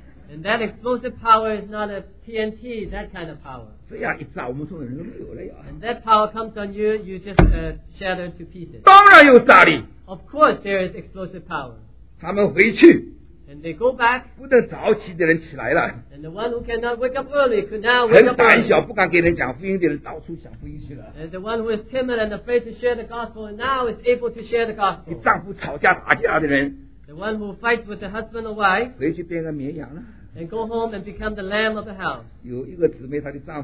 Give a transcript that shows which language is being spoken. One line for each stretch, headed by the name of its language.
English: and that explosive power is not a TNT, that kind of power.
Chinese: 这样一炸,
English: and that power comes on you, you just shatter to pieces.
Chinese: 当然有炸力。
English: Of course, there is explosive power.
Chinese: 他们回去,
English: and they go back.
Chinese: 不能早起的人起来了,
English: and the one who cannot wake up early could now wake
Chinese: 很胆小,
English: up early.
Chinese: 不敢给人讲福音的人到处讲福音去了,
English: and the one who is timid and afraid to share the gospel now is able to share the gospel.
Chinese: 你丈夫吵架打架的人,
English: the one who fights with the husband or wife,
Chinese: 回去变个绵羊了,
English: and go home and become the lamb of the house.